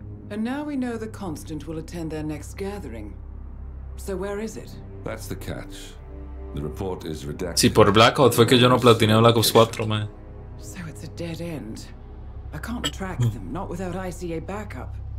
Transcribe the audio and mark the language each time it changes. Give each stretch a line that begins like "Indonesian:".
English: And now we know the Constant will attend their next gathering. So where is it? That's the catch. The report is redacted.
Spanish: Sí, por Black Ops fue que yo no platiné Black Ops 4, man.
English: So it's a dead end. I can't track them, not without ICA backup.